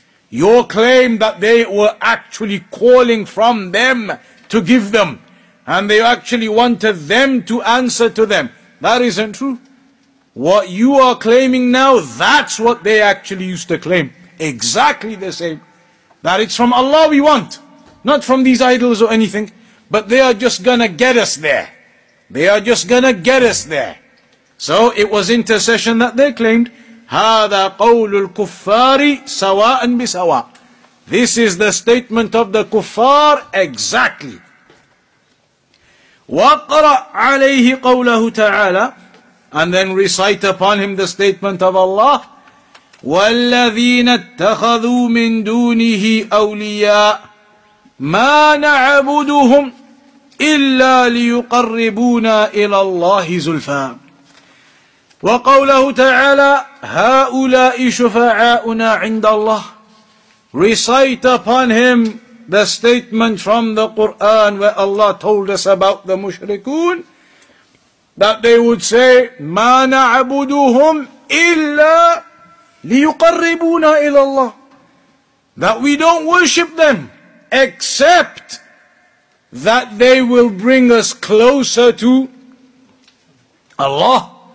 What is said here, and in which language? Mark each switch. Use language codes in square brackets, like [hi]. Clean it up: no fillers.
[en] Your claim that they were actually calling from them to give them, and they actually wanted them to answer to them, that isn't true. What you are claiming now, that's what they actually used to claim. Exactly the same. That it's from Allah we want, not from these idols or anything. But they are just gonna get us there. They are just gonna get us there. So it was intercession that they claimed. [ar] هذا قول الكفار سواء بسواء. [en] This is the statement of the kuffar exactly. [ar] وقرأ عليه قوله تعالى, [en] and then recite upon him the statement of Allah. [ar] والذين اتخذوا من دونه أولياء ما نعبدهم إلا ليقربونا إلى الله زلفا. وقوله تعالى هؤلاء شفعاؤنا عند الله. [en] Recite upon him the statement from the Quran where Allah told us about the mushrikun, that they would say [ar] ما نعبدهم إلا ليقربونا إلى الله, [en] that we don't worship them except that they will bring us closer to Allah.